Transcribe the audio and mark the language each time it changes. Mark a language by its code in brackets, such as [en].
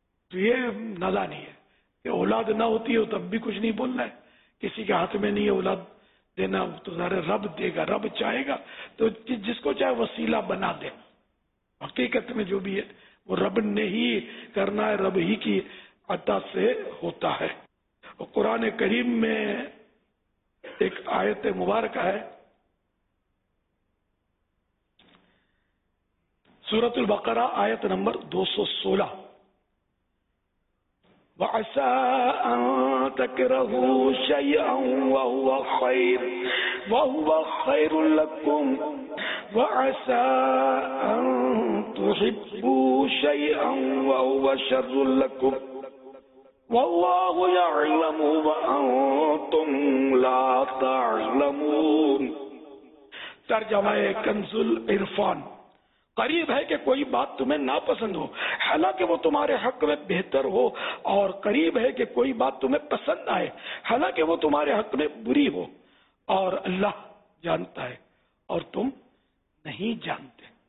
[ur] تو یہ نادانی ہے کہ اولاد نہ ہوتی ہو تب بھی کچھ نہیں بولنا ہے, کسی کے ہاتھ میں نہیں ہے اولاد دینا, تو ذرا رب دے گا, رب چاہے گا تو جس کو چاہے وسیلہ بنا دے. حقیقت میں جو بھی ہے وہ رب نے ہی کرنا ہے, رب ہی کی عطا سے ہوتا ہے. اور قرآن کریم میں ایک آیت مبارکہ ہے سورۃ البقرہ آیت نمبر 216، [ar] وعسى أن تكرهوا شيئا وهو خير وهو خير لكم وعسى أن تحبوا شيئا وهو شر لكم والله يعلم وأنتم لا تعلمون. [ur] ترجمہ کنز العرفان، قریب ہے کہ کوئی بات تمہیں ناپسند ہو حالانکہ وہ تمہارے حق میں بہتر ہو، اور قریب ہے کہ کوئی بات تمہیں پسند آئے حالانکہ وہ تمہارے حق میں بری ہو، اور اللہ جانتا ہے اور تم نہیں جانتے.